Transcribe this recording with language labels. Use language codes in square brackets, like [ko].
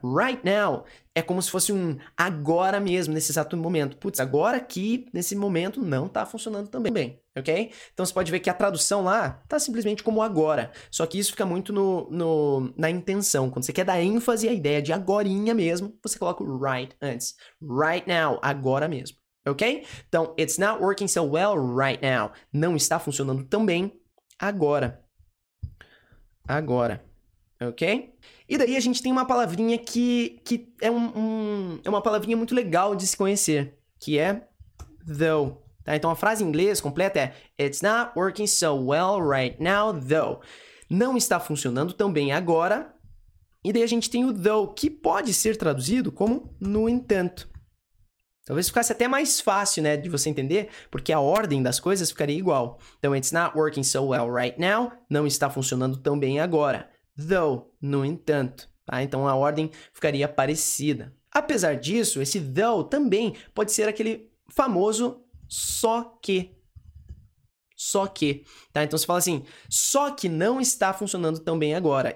[pt] Right now é como se fosse um agora mesmo, nesse exato momento. Putz, agora aqui, nesse momento, não está funcionando tão bem, ok? Então você pode ver que a tradução lá está simplesmente como agora. Só que isso fica muito no, no, na intenção. Quando você quer dar ênfase à ideia de agorinha mesmo, você coloca o right antes. [en] Right now, [pt] agora mesmo. Ok? [en] Então, it's not working so well right now. [pt] Não está funcionando tão bem agora. Agora. Ok? E daí a gente tem uma palavrinha que é é uma palavrinha muito legal de se conhecer, que é though. Tá? Então a frase em inglês completa é [en] It's not working so well right now, though. [pt] Não está funcionando tão bem agora. E daí a gente tem o though, que pode ser traduzido como no entanto. Talvez ficasse até mais fácil, né, de você entender, porque a ordem das coisas ficaria igual. [en] Então, it's not working so well right now. [pt] Não está funcionando tão bem agora. Though, no entanto, tá? Então a ordem ficaria parecida. Apesar disso, esse though também pode ser aquele famoso só que. Só que, tá? Então você fala assim, só que não está funcionando tão bem agora.